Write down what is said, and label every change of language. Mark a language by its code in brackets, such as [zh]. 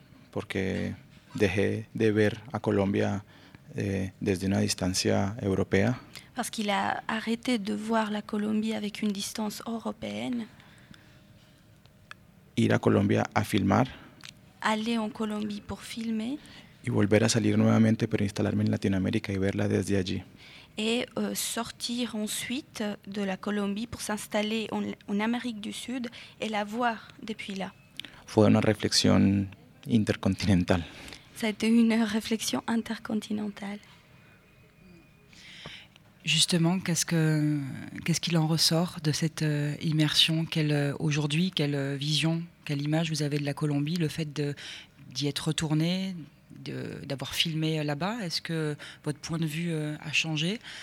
[es] Porque dejé de ver a Colombia desde una distancia europea. [fr] Parce qu'il a arrêté de voir la Colombie avec une distance européenne. [es] Ir a Colombia a filmar. [fr] Aller en Colombie pour filmer. [es] Y volver a salir nuevamente pero instalarme en Latinoamérica y verla desde allí. [fr] Et sortir ensuite de la Colombie pour s'installer en Amérique du Sud et la voir depuis là. [es] Fue una reflexión intercontinental. [fr] Ça a été une réflexion intercontinentale. Justement, qu'est-ce qu'il en ressort de cette immersion? Aujourd'hui, quelle vision, quelle image vous avez de la Colombie? Le fait d'y être retourné, d'avoir filmé là-bas, est-ce que votre point de vue a changé?